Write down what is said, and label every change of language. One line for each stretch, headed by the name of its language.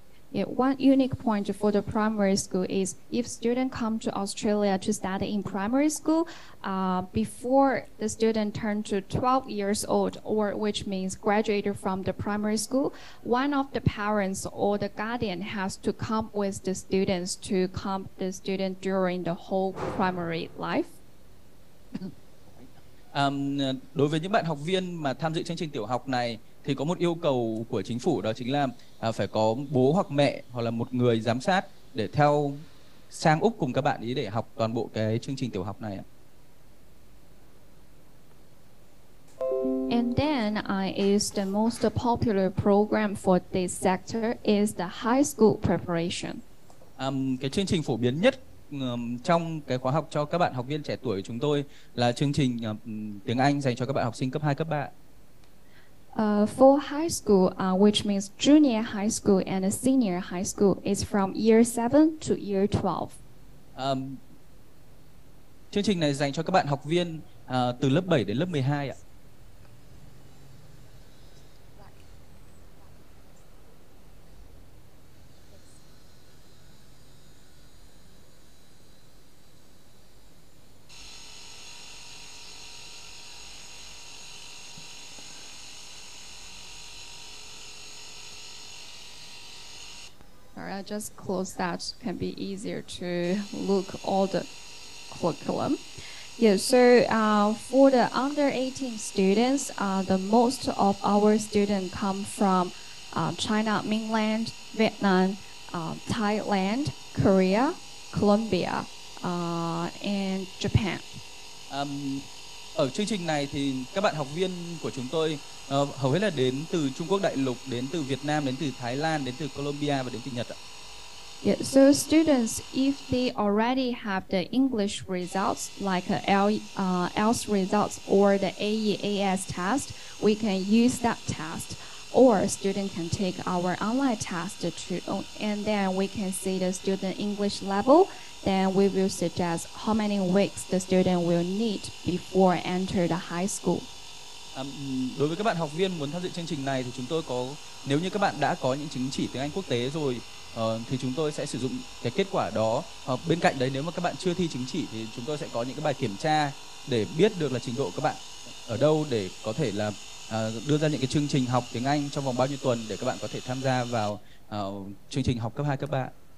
English: Yeah, one unique point for the primary school is if student come to Australia to study in primary school before the student turn to 12 years old, or which means graduated from the primary school, one of the parents or the guardian has to come with the students to camp the student during the whole primary life.
Vietnamese: Đối với những bạn học viên mà tham dự chương trình tiểu học này thì có một yêu cầu của chính phủ, đó chính là phải có bố hoặc mẹ hoặc là một người giám sát để theo sang Úc cùng các bạn ý để học toàn bộ cái chương trình tiểu học này.
English: And then is the most popular program for this sector is the high school preparation.
Vietnamese: Cái chương trình phổ biến nhất trong cái khóa học cho các bạn học viên trẻ tuổi của chúng tôi là chương trình tiếng Anh dành cho các bạn học sinh cấp 2, cấp 3.
English: For high school, which means junior high school and senior high school, is from year 7 to year 12.
Vietnamese: Chương trình này dành cho các bạn học viên từ lớp 7 đến lớp 12 ạ.
English: Just close that can be easier to look all the curriculum. Yeah, so for the under 18 students, the most of our students come from China, mainland, Vietnam, Thailand, Korea, Colombia, and Japan.
Vietnamese: Ở chương trình này thì các bạn học viên của chúng tôi hầu hết là đến từ Trung Quốc đại lục, đến từ Việt Nam, đến từ Thái Lan, đến từ Colombia và đến từ Nhật ạ.
English: Yeah, so students, if they already have the English results, like IELTS results or the AEAS test, we can use that test. Or student can take our online test to, and then we can see the student English level. Then we will suggest how many weeks the student will need before enter the high school.
Vietnamese: Đối với các bạn học viên muốn tham dự chương trình này thì chúng tôi có, nếu như các bạn đã có những chứng chỉ tiếng Anh quốc tế rồi, thì chúng tôi sẽ sử dụng cái kết quả đó. Bên cạnh đấy, nếu mà các bạn chưa thi chứng chỉ thì chúng tôi sẽ có những cái bài kiểm tra để biết được là trình độ các bạn ở đâu, để có thể là đưa ra những cái chương trình học tiếng Anh trong vòng bao nhiêu tuần để các bạn có thể tham gia vào chương trình học cấp 2, cấp 3.